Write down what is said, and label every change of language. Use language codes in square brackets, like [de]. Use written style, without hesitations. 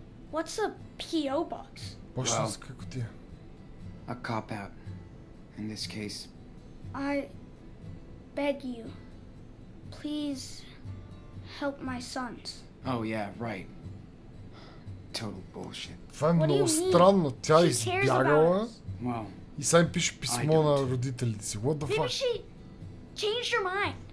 [en] What's a P.O. box? Well, a cop-out. In this case. I beg you, please help my sons. Oh yeah, right. Total bullshit. [bg] Това е много странно. Тя избягала и сами пише писмо на родителите си. [en] What the fuck? Maybe she changed her mind.